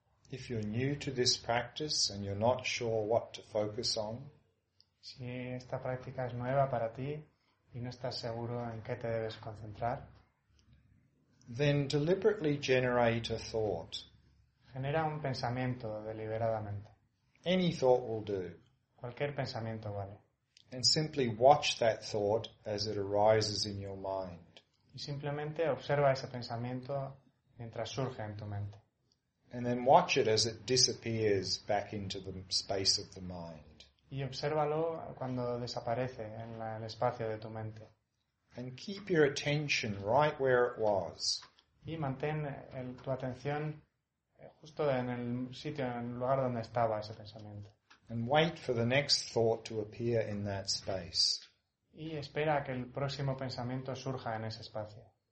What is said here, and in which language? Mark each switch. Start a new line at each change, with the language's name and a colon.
English: If you're new to this practice and you're not sure what to focus on,
Spanish: si esta práctica es nueva para ti y no estás seguro en qué te debes concentrar,
English: then deliberately generate a thought.
Spanish: Genera un pensamiento deliberadamente.
English: Any thought will do.
Spanish: Cualquier pensamiento vale.
English: And simply watch that thought as it arises in your mind.
Spanish: Y simplemente observa ese pensamiento mientras surge en tu mente.
English: And then watch it as it disappears back into the space of the mind.
Spanish: Y obsérvalo cuando desaparece en el espacio de tu mente.
English: And keep your attention right where it was.
Spanish: Y mantén tu atención justo en el sitio, en el lugar donde estaba ese pensamiento.
English: And wait for the next thought to appear in that space.
Spanish: Y espera a que el próximo pensamiento surja en ese espacio.